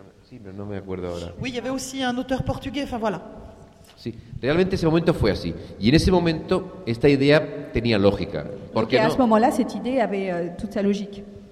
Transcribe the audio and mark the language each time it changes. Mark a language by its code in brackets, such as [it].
[fr] Oui, il y avait aussi un auteur portugais. Enfin voilà. [es] Sí, realmente ese momento fue así. Y en ese momento esta idea tenía lógica. Porque [fr] à ce moment-là, cette idée avait toute sa logique.